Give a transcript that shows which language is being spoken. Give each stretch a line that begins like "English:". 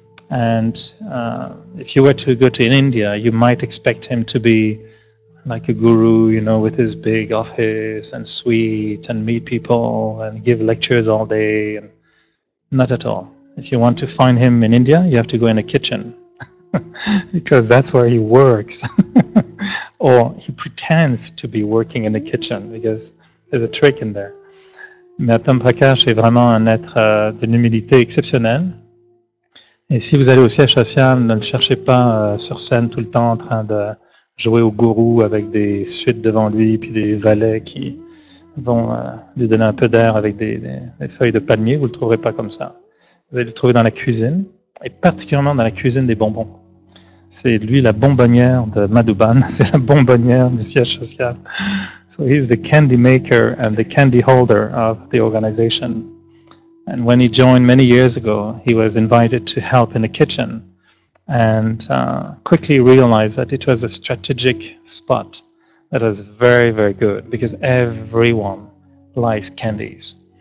English: And if you were to go to India, you might expect him to be like a guru, you know, with his big office and suite and meet people and give lectures all day. And not at all. If you want to find him in India, you have to go in a kitchen because that's where he works. Or he pretends to be working in the kitchen because there's a trick in there.
French: Mais Atam Prakash est vraiment un être d'une humilité exceptionnelle. Et si vous allez au siège social, ne le cherchez pas sur scène tout le temps en train de jouer au gourou avec des suites devant lui puis des valets qui vont lui donner un peu d'air avec des feuilles de palmier. Vous ne le trouverez pas comme ça. Vous allez le trouver dans la cuisine, et particulièrement dans la cuisine des bonbons. C'est lui la bonbonnière de Madhuban, c'est la bonbonnière du siège social.
English: So he's the candy maker and the candy holder of the organization. And when he joined many years ago, he was invited to help in the kitchen and quickly realized that it was a strategic spot that was very, very good because everyone likes candies.